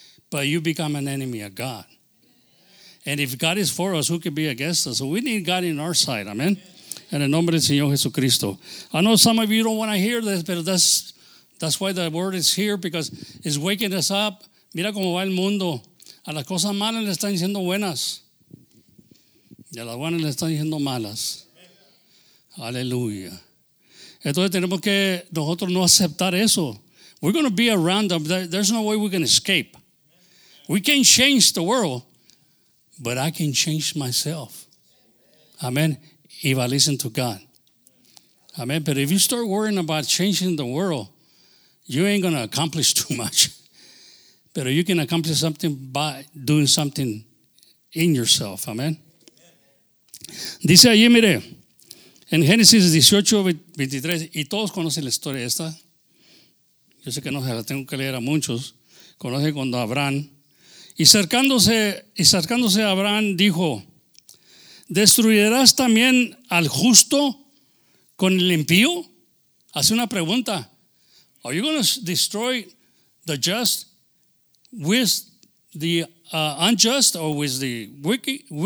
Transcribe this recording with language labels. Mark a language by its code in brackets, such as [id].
[en] But you become an enemy of God. And if God is for us, who can be against us? So we need God in our side, amen? [es] En el nombre del Señor Jesucristo. [en] I know some of you don't want to hear this, but that's why the word is here, because it's waking us up. [es] Mira cómo va el mundo. A las cosas malas le están diciendo buenas. Y a las buenas le están diciendo malas. Aleluya. Entonces tenemos que nosotros no aceptar eso. [en] We're going to be around them. There's no way we can escape. We can't change the world, but I can change myself. Amen. If I listen to God. Amen. But if you start worrying about changing the world, you ain't going to accomplish too much. But you can accomplish something by doing something in yourself. Amen. [es] Dice allí, mire, en Génesis 18:23, y todos conocen la historia esta. Yo sé que no se la tengo que leer a muchos. Conocen cuando Abraham, y acercándose a Abraham, dijo: ¿destruirás también al justo con el impío? Hace una pregunta. [en] Are you going to destroy the just with the unjust or with the wicked?